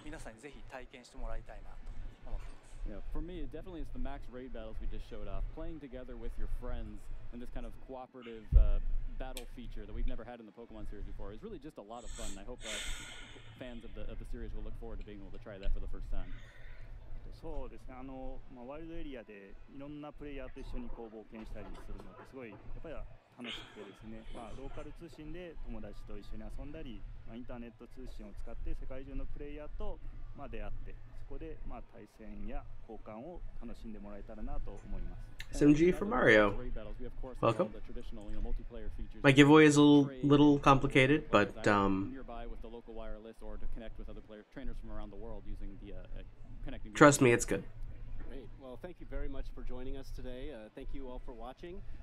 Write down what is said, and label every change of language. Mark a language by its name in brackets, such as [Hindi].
[English] Yeah, for me, it definitely is the max raid battles we just showed off. Playing together with your friends in this kind of cooperative battle feature that we've never had in the Pokemon series before. It's really just a lot of fun. I hope fans of the series will look forward to being able to try that for the first time. [Japanese] そうですね、あの、まあ、ワイルドエリアでいろんなプレイヤーと一緒にこう冒険したりするのってすごいやっぱり楽しくてですね、まあ、ローカル通信で友達と一緒に遊んだり、まあ、インターネット通信を使って世界中のプレイヤーと、まあ、出会ってそこで、まあ、対戦や交換を楽しんでもらえたらなと思います。 [English] SMG from Mario, welcome. My giveaway is a little complicated, but nearby with the local wireless or to connect with other players, trainers from around the world using the Trust me, it's good. Great. Well, thank you very much for joining us today. Thank you all for watching.